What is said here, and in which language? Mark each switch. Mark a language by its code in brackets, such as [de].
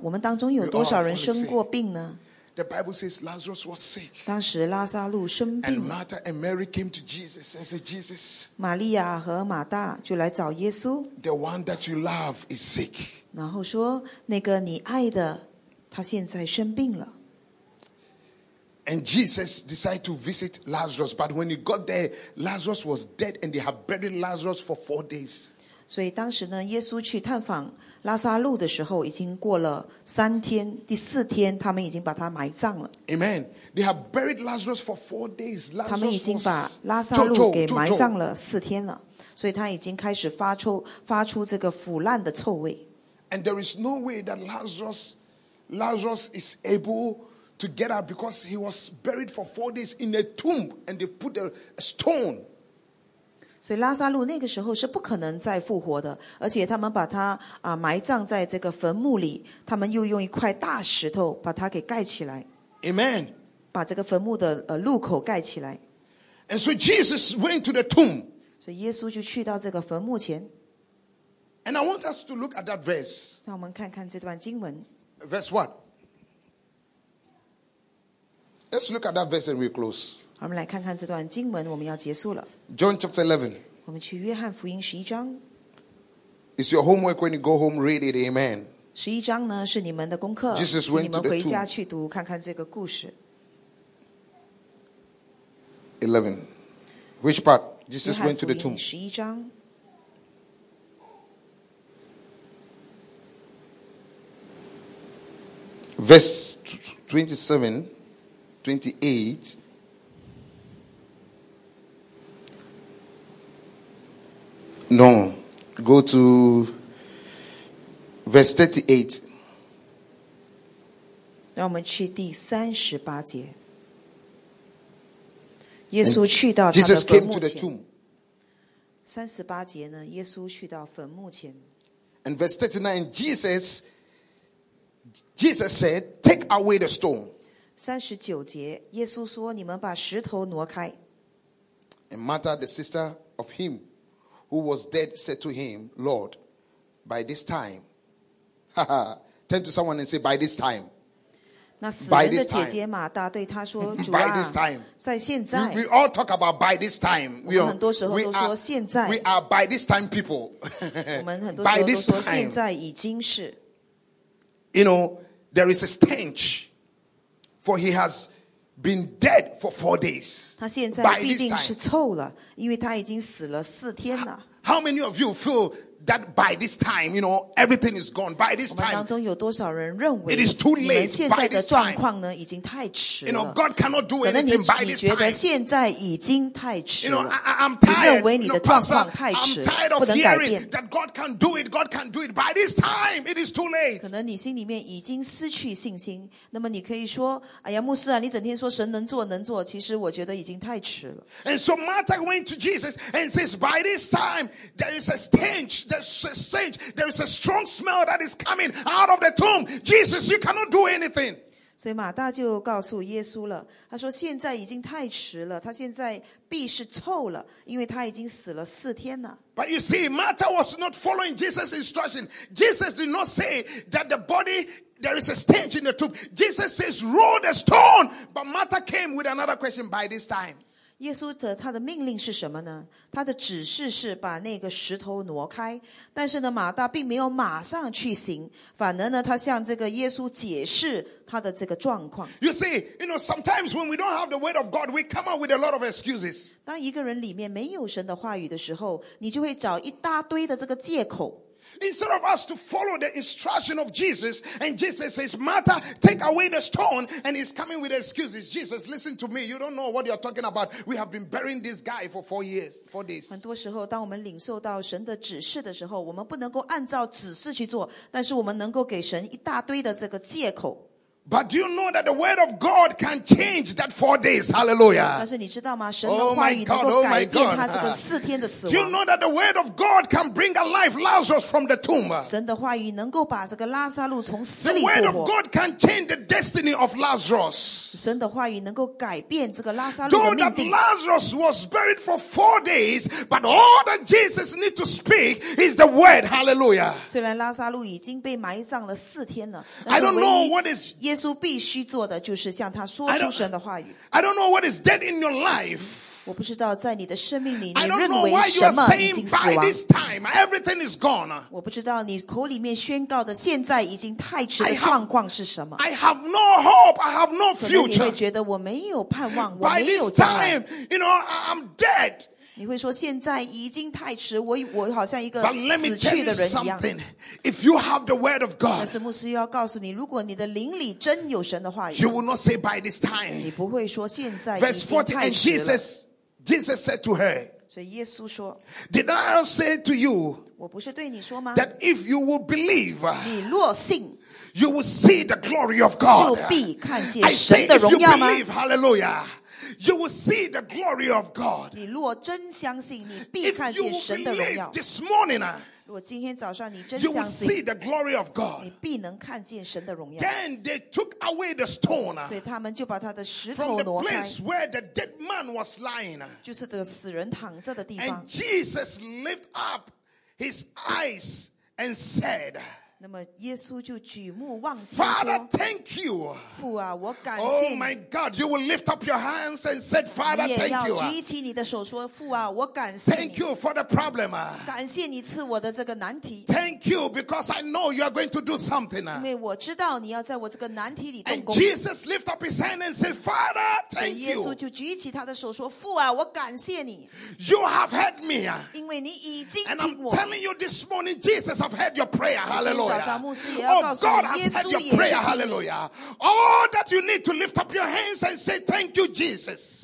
[zh] 我们当中有多少人生过病呢？ [en] The Bible says Lazarus was sick. [zh] 当时拉撒路生病了。 [en] And Martha and Mary came to Jesus and said, Jesus. [zh] 玛利亚和马大就来找耶稣。 [en] The one that you love is sick. [zh] 然后说，那个你爱的，他现在生病了。 [en] And Jesus decided to visit Lazarus, but when he got there, Lazarus was dead, and they had buried Lazarus for 4 days. [zh] 所以当时呢，耶稣去探访拉撒路的时候，已经过了三天，第四天他们已经把他埋葬了。 [en] Amen. They have buried Lazarus for 4 days. Lazarus [zh] 他们已经把拉撒路给埋葬了四天了，所以他已经开始发出这个腐烂的臭味。 [en] And there is no way that Lazarus is able to get up because he was buried for 4 days in a tomb and they put a stone. [zh] 所以拉撒路那个时候是不可能再复活的，而且他们把他埋葬在这个坟墓里，他们又用一块大石头把他给盖起来。 [en] Amen. [zh] 把这个坟墓的路口盖起来。 [en] And so Jesus went to the tomb. [zh] 所以耶稣就去到这个坟墓前。 [en] And I want us to look at that verse. [zh] 让我们看看这段经文。 [en] Verse what? Let's look at that verse and we close. [zh] 我们来看看这段经文，我们要结束了。 [en] John chapter 11. [zh] 我们去约翰福音十一章。 [en] It's your homework when you go home, read it, amen. [zh] 十一章呢，是你们的功课。 [en] Jesus went to the tomb. [zh] 你们回家去读，看看这个故事。 [en] 11. Which part? Jesus went to the tomb. [zh] 十一章。 [en] Verse 27, 28. No, go to verse 38. [zh] 让我们去第三十八节。耶稣去到他的坟墓前。三十八节呢？耶稣去到坟墓前。 [en] And verse 39, Jesus said, "Take away the stone." [zh] 39节，耶稣说：“你们把石头挪开。” [en] And Martha, the sister of him who was dead, said to him, "Lord, by this time." Turn to someone and say, "By this time." [zh] 那死人的姐姐马大对他说：“主啊， [en] by this time. [zh] 在现在。” [en] We all talk about by this time. [zh] 我们很多时候都说现在。 [en] We are by this time people. [zh] 我们很多时候都说现在已经是。 [en] You know, there is a stench, for he has been dead for 4 days. [zh] 他现在必定是臭了，因为他已经死了四天了。 [en] How many of you feel that by this time, you know, everything is gone? By this time, [zh] 我们当中有多少人认为 [en] it is too late, [zh] 你们现在的状况呢，已经太迟了。 [en] You know, God cannot do anything by this time. [zh] 你觉得现在已经太迟了。 [en] You know, I'm tired. [zh] 你认为你的状况太迟，不能改变。 [en] I'm tired of hearing that God can do it. God can do it. By this time, it is too late. [zh] 可能你心里面已经失去信心，那么你可以说，哎呀，牧师啊，你整天说神能做能做，其实我觉得已经太迟了。 [en] And so Martha went to Jesus and says, "By this time, there is a stench." There is a strong smell that is coming out of the tomb. Jesus, you cannot do anything. [zh] 所以马大就告诉耶稣了，他说现在已经太迟了，他现在必是臭了，因为他已经死了四天了。 [en] But you see, Martha was not following Jesus' instruction. Jesus did not say that the body, there is a stench in the tomb. Jesus says, roll the stone. But Martha came with another question by this time. [zh] 耶稣的他的命令是什么呢？他的指示是把那个石头挪开，但是呢，马大并没有马上去行，反而呢，他向这个耶稣解释他的这个状况。 [en] You see, you know, sometimes when we don't have the word of God, we come up with a lot of excuses. [zh] 当一个人里面没有神的话语的时候，你就会找一大堆的这个借口。 [en] Instead of us to follow the instruction of Jesus, and Jesus says, "Martha, take away the stone," and he's coming with excuses. Jesus, listen to me. You don't know what you're talking about. We have been burying this guy for 4 years, 4 days. [zh] 很多时候，当我们领受到神的指示的时候，我们不能够按照指示去做，但是我们能够给神一大堆的这个借口。 [en] But do you know that the word of God can change that 4 days? Hallelujah. [zh] 但是你知道吗？神的话语能够改变他这个四天的死亡。 [en] Do you know that the word of God can bring alive Lazarus from the tomb? [zh] 神的话语能够把这个拉撒路从死里复活。 [en] The word of God can change the destiny of Lazarus. [zh] 神的话语能够改变这个拉撒路的命定。 [en] Though that Lazarus was buried for 4 days, but all that Jesus needs to speak is the word. Hallelujah. [zh] 虽然拉撒路已经被埋葬了四天了 [en] ，I don't know what is. [zh] 耶稣必须做的就是向他说出神的话语。 [en] I don't know what is dead in your life. [zh] 我不知道在你的生命里你认为什么已经死亡。 [en] I don't know why you are saying by this time everything is gone. [zh] 我不知道你口里面宣告的现在已经太迟的状况是什么。 [en] I have no hope. I have no future. [zh] 可能你会觉得我没有盼望，我没有将来。 [en] By this time, you know, I'm dead. [zh] 你会说现在已经太迟，我好像一个死去的人一样。 [en] If you have the word of God, [zh] 但是牧师要告诉你，如果你的灵里真有神的话语， [en] you will not say by this time. [zh] 你不会说现在已经太迟了。 [en] Verse 40, and Jesus said to her. [zh] 所以耶稣说， [en] Did I not say to you? [zh] 我不是对你说吗？ [en] That if you will believe, [zh] 你若信。 [en] You will see the glory of God. [zh] 就必看见神的荣耀吗？ [en] I say if you believe, hallelujah. You will see the glory of God. [zh] 你若真相信，你必看见神的荣耀。 [en] If you believe this morning, [zh] 如果今天早上你真相信， [en] you will see the glory of God. [zh] 你必能看见神的荣耀。 [en] Then they took away the stone. [zh] 所以他们就把他的石头挪开。 [en] From the place where the dead man was lying. [zh] 就是这个死人躺着的地方。 [en] And Jesus lift up his eyes and said. [zh] 那么耶稣就举目望天 [en] Father, thank you. [zh] 父啊，我感谢你。 [en] Oh my God, you will lift up your hands and said, Father, thank you. [zh] 你也要举起你的手说，父啊，我感谢你。 [en] Thank you for the problem. [zh] 感谢你赐我的这个难题。 [en] Thank you because I know you are going to do something. [zh] 因为我知道你要在我这个难题里动工。 [en] And Jesus lift up his hand and said, Father, thank you. [zh] 耶稣就举起他的手说，父啊，我感谢你。 [en] You have heard me. [zh] 因为你已经听我。 [en] And I'm telling you this morning, Jesus, I've heard your prayer. Hallelujah. Oh, God has heard your prayer, hallelujah. All that you need to lift up your hands and say, thank you, Jesus.